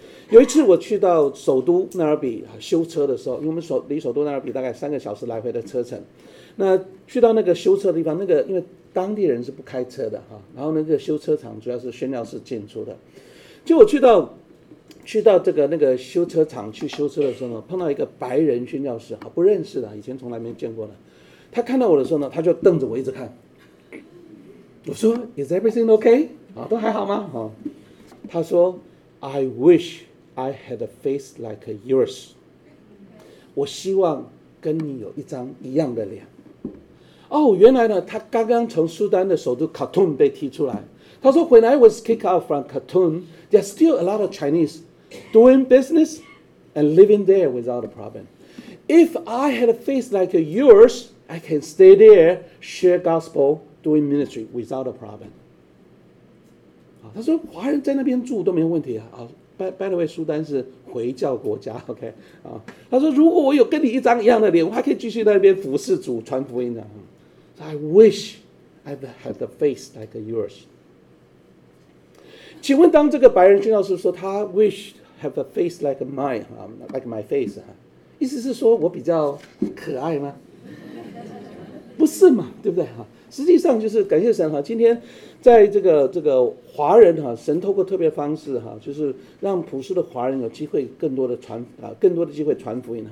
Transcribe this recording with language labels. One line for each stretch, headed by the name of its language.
Chinese: 有一次我去到首都奈尔比修车的时候，因为我们离首都奈尔比大概3个小时来回的车程，那去到那个修车的地方，那个因为当地人是不开车的哈，然后那个修车厂主要是宣教士进出的，就我去到这个那个修车厂去修车的时候呢，碰到一个白人宣教士，不认识的，以前从来没见过的。他看到我的时候呢，他就瞪着我一直看。我说 ：
English: “Is everything okay？
Chinese: 啊，都还好吗？” 啊，他说 ：“
English: I wish I had a face like yours。”
Chinese: 我希望跟你有一张一样的脸。哦，原来呢，他刚刚从苏丹的首都卡通被踢出来。他说 ：“
English: When I was kicked out from Khartoum, there's still a lot of Chinese doing business and living there without a problem. If I had a face like yours.” I can stay there, share gospel, doing ministry without a problem.
Chinese: 他说华人在那边住都没有问题啊。
English: By the way,
Chinese: 苏丹是回教国家 ,OK? 他说如果我有跟你一张一样的脸，我还可以继续在那边服侍主传福音的。
English: I wish I had the face like yours.
Chinese: 请问当这个白人宣教士说他
English: wish have a face like mine, like my face,
Chinese: 意思是说我比较可爱吗？不是嘛，对不对？实际上就是感谢神，今天在这个华人，神透过特别方式，就是让普世的华人有机会更多的机会传福音。